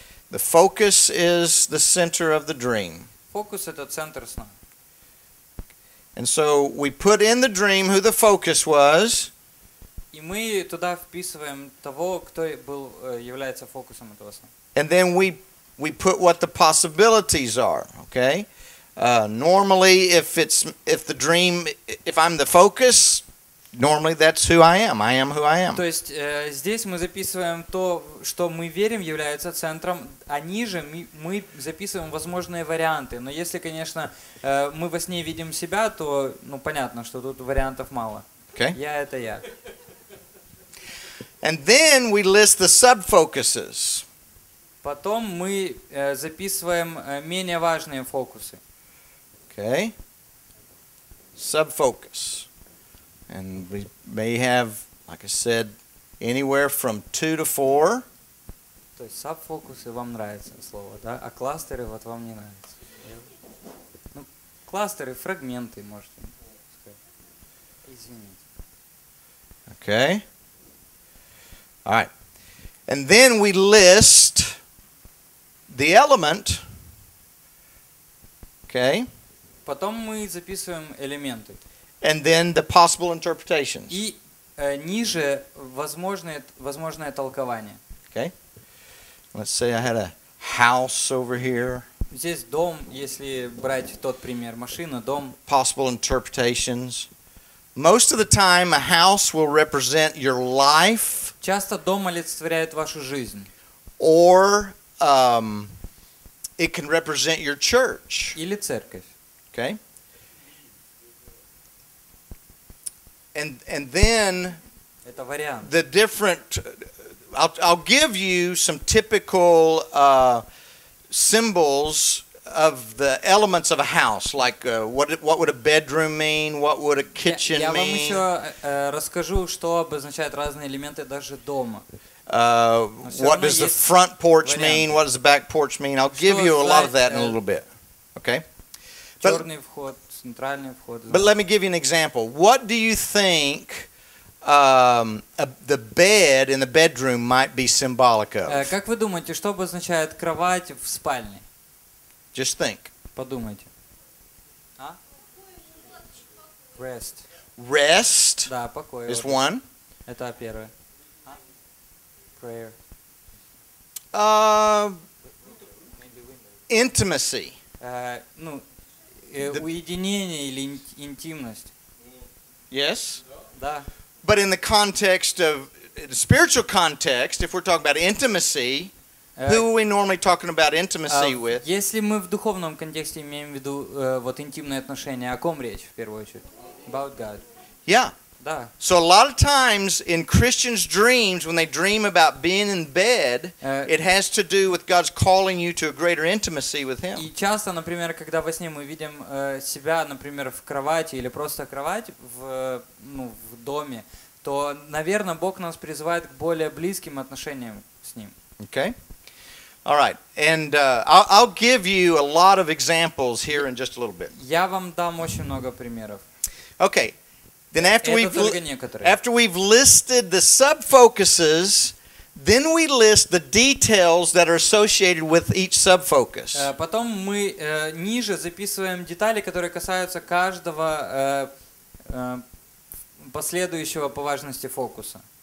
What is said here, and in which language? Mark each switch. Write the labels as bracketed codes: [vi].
[en] The focus is the center of the dream. [ru] Фокус это центр сна. [en] And so we put in the dream who the focus was. [ru] И мы туда вписываем того, кто был является фокусом этого сна. [en] And then we put what the possibilities are, okay? Normally if I'm the focus, normally that's who I am. I am who I am. [ru] То есть здесь мы записываем то, что мы верим является центром, а ниже мы записываем возможные варианты. Но если, конечно, мы во сне видим себя, то ну понятно, что тут вариантов мало. [en] Okay. [ru] Я это я. [en] And then we list the sub-focuses. [ru] Потом мы записываем менее важные фокусы. [en] Okay. Sub-focus. And we may have, like I said, anywhere from 2 to 4. [ru] То есть сабфокусы вам нравится слово, да? А кластеры вот вам не нравится. Ну, кластеры, фрагменты, можете сказать. Извините. [en] Okay. All right. And then we list the element. Okay. [ru] Потом мы записываем элементы. [en] And then the possible interpretations. [ru] И ниже возможное толкование. [en] Okay. Let's say I had a house over here. [ru] Здесь дом, если брать тот пример, машина, дом. [en] Possible interpretations. Most of the time a house will represent your life. [ru] Часто дом олицетворяет вашу жизнь. [en] Or it can represent your church. [ru] Или церковь. [en] Okay. And then the different, I'll give you some typical symbols of the elements of a house, like what would a bedroom mean, what would a kitchen mean. [ru] вам еще расскажу, что обозначают разные элементы даже дома. [en] What does the front porch mean, what does the back porch mean? I'll give you a lot of that in a little bit, okay? [ru] Черный вход. Центральный вход. [en] But let me give you an example. What do you think the bed in the bedroom might be symbolic of? [ru] Как вы думаете, что обозначает кровать в спальне? [en] Just think. [ru] Подумайте. А? [en] Rest. Rest. [ru] Да, покой. [en] Is one. [ru] Это первое. А? [en] Prayer. Intimacy. [ru] Ну. Уединение или интимность. [en] Yes. [ru] Да. [en] But in the context of the spiritual context, if we're talking about intimacy, who are we normally talking about intimacy with? [ru] Если мы в духовном контексте имеем в виду вот интимные отношения, о ком речь в первую очередь? [en] About God. Yeah. [ru] Да. [en] So a lot of times in Christians' dreams, when they dream about being in bed, it has to do with God's calling you to a greater intimacy with Him. [ru] И часто, например, когда во сне мы видим себя, например, в кровати или просто кровать в доме, то, наверное, Бог нас призывает к более близким отношениям с Ним. [en] Okay. All right. And I'll give you a lot of examples here in just a little bit. [ru] Я вам дам очень много примеров. [en] Okay. Then after we've listed the subfocuses, then we list the details that are associated with each subfocus. [ru] Потом мы ниже записываем детали, которые касаются каждого последующего по важности фокуса.